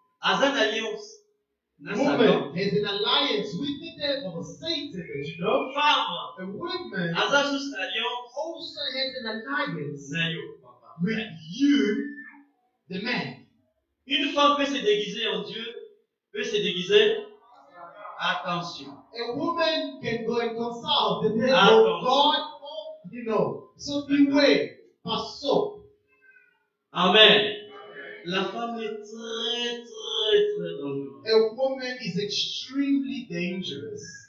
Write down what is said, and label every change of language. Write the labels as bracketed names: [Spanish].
[English] has an alliance with the devil, Satan, you know. [French] Femme, [English] a woman also has an alliance with you, the man. [French] Une femme peut se déguiser en Dieu, peut se déguiser. Attention. [English] A woman can go and consult the devil, God, you know. So beware, passo. [French] Amen. La femme est très, très, très dangereuse. [English] A woman is extremely dangerous.